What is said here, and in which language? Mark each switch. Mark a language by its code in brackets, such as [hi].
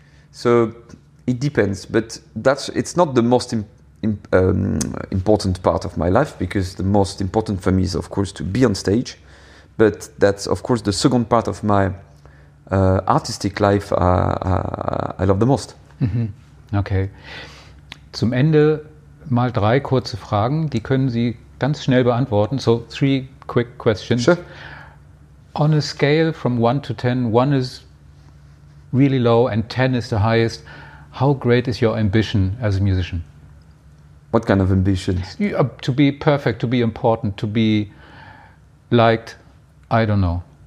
[en] So it depends, but it's not the most important part of my life, because the most important for me is, of course, to be on stage. But that's, of course, the second part of my artistic life I love the most. Mm-hmm. Okay. [de] Zum Ende mal drei kurze Fragen, die können Sie ganz schnell beantworten. [en] So three quick questions. Sure. On a scale from 1 to 10, 1 is really low and 10 is the highest. How great is your ambition as a musician? What kind of ambition? To be perfect, to be important, to be liked, I don't know.